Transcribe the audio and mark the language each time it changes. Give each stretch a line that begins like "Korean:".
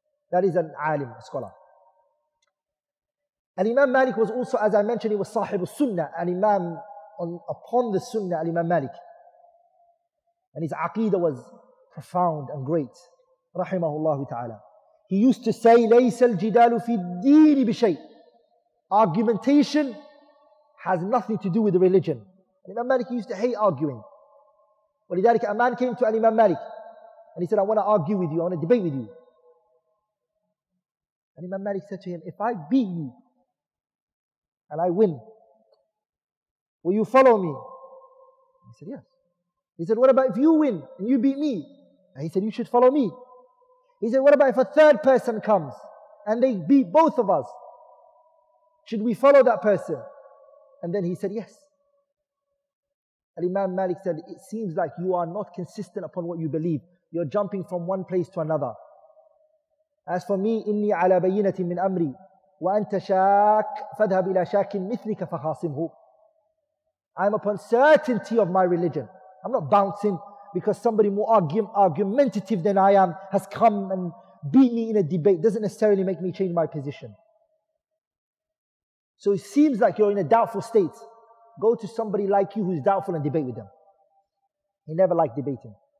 English: That is an alim, a scholar. And Imam Malik was also, as I mentioned, he was sahib al-sunnah, an imam upon the sunnah, al-imam Malik. And his aqidah was profound and great. Rahimahullah ta'ala.
Arabic: He used to say, لَيْسَ الْجِدَالُ فِي الدِّينِ بِشَيْءٍ.
English: Argumentation has nothing to do with religion. And Imam Malik used to hate arguing.
Arabic: وَلِذَلِكَ
English: a man came to Imam Malik and he said, I want to argue with you, I want to debate with you. And Imam Malik said to him, if I beat you and I win, will you follow me? He said, yes. He said, what about if you win and you beat me? And he said, you should follow me. He said, what about if a third person comes and they beat both of us. Should we follow that person? And then he said, yes. Al-Imam Malik said, it seems like you are not consistent upon what you believe. You're jumping from one place to another. As for me,
Arabic: إِنِّي عَلَى بَيِّنَةٍ مِّنْ أَمْرِي وَأَنْتَ شَاكٍ فَذْهَبْ إِلَى شَاكٍ مِثْلِكَ فَخَاصِمْهُ.
English: I'm upon certainty of my religion. I'm not bouncing because somebody more argumentative than I am has come and beat me in a debate. Doesn't necessarily make me change my position. So it seems like you're in a doubtful state. Go to somebody like you who's doubtful and debate with them. He never liked debating.